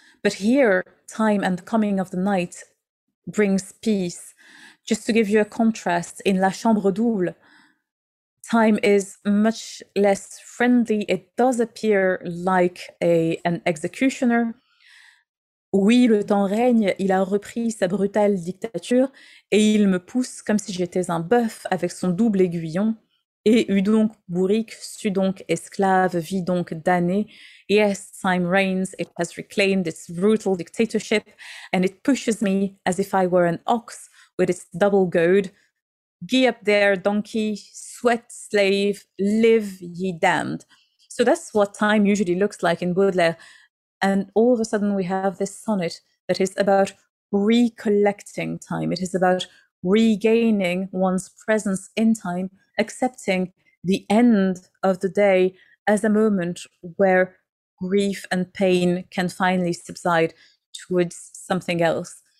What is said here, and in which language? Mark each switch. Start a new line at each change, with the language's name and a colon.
English: But here, time and the coming of the night brings peace. Just to give you a contrast, in La Chambre Double, time is much less friendly. It does appear like an executioner.
French: Oui, le temps règne, il a repris sa brutale dictature et il me pousse comme si j'étais un bœuf avec son double aiguillon. Et eut donc bourrique, sut donc esclave, vit donc damné.
English: Yes, time reigns, it has reclaimed its brutal dictatorship and it pushes me as if I were an ox with its double goad. Gee up there, donkey, sweat, slave, live, ye damned. So that's what time usually looks like in Baudelaire. And all of a sudden we have this sonnet that is about recollecting time. It is about regaining one's presence in time, accepting the end of the day as a moment where grief and pain can finally subside towards something else.